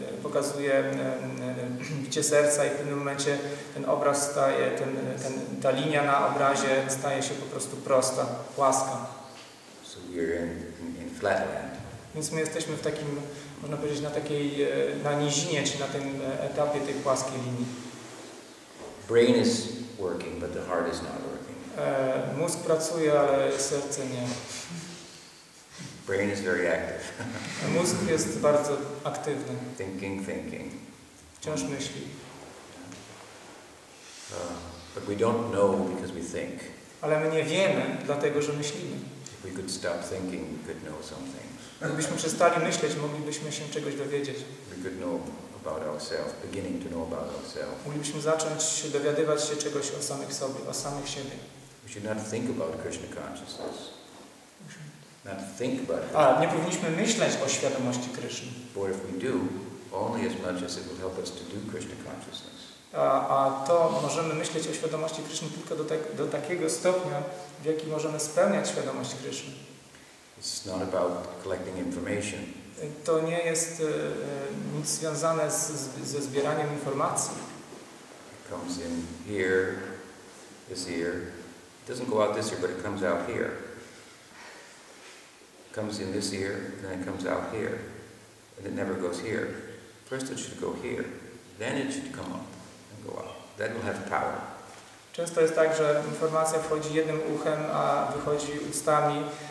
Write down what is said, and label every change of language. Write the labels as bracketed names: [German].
[Polish] pokazuje bicie serca i w pewnym momencie ten obraz staje, ta linia na obrazie staje się po prostu prosta, płaska. [English] So we're in flatland. [Polish] Więc my jesteśmy w takim, można powiedzieć, na takiej, na nizinie, czy na tym etapie tej płaskiej linii. [English] Brain is working, but the heart is not working. [Polish] Mózg pracuje, ale serce nie. [English] Brain is very active. [Polish] Mózg jest bardzo aktywny. [English] Thinking. [Polish] Wciąż myśli. [English] But we don't know because we think. [Polish] Ale my nie wiemy, dlatego że myślimy. [English] If we could stop thinking, we could know something. [Polish] Gdybyśmy przestali myśleć, moglibyśmy się czegoś dowiedzieć. [English] We could know about ourselves, beginning to know about ourselves. [Polish] Moglibyśmy zacząć się dowiadywać się czegoś o samych sobie, o samych siebie. [English] We should not think about Krishna consciousness. Not think about [Polish] it. A nie powinniśmy myśleć o świadomości Kryszny. [English] But if we do, only as much as it will help us to do Krishna consciousness. [Polish] A to możemy myśleć o świadomości Kryszny tylko do takiego stopnia, w jaki możemy spełniać świadomość Kryszny. [English] It's not about collecting information. [Polish] To nie jest nic związane ze zbieraniem informacji. [English] It comes in here, this ear. It doesn't go out this ear, but it comes out here. It comes in this ear, then it comes out here. And it never goes here. First it should go here. Then it should come up and go out. That will have power. [Polish] Często jest tak, że informacja wchodzi jednym uchem, a wychodzi ustami.